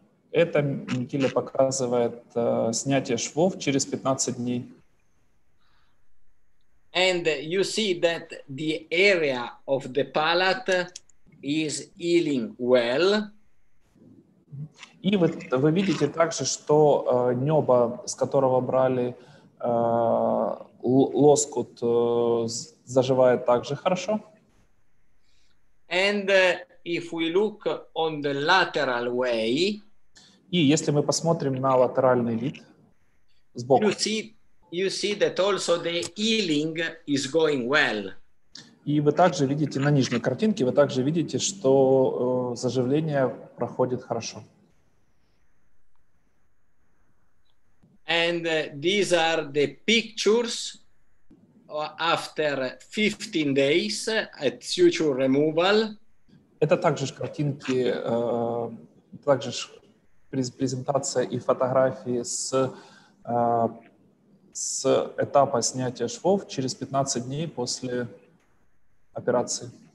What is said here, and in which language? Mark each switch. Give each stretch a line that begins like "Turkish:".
Russian: Это Микеле показывает снятие швов через 15 дней.
English: And you see that the area of the palate is healing well.
Russian: И вы видите также, что нёбо, с которого брали лоскут, заживает также хорошо.
English: And if we look on the lateral way.
Russian: И если мы посмотрим на латеральный вид сбоку.
English: You see that also the healing is going well.
Russian: И вы также видите на нижней картинке, вы также видите, что заживление проходит хорошо.
English: And these are the pictures after 15 days at suture removal.
Russian: Это также картинки, также презентация и фотографии с этапа снятия швов через 15 дней после операции.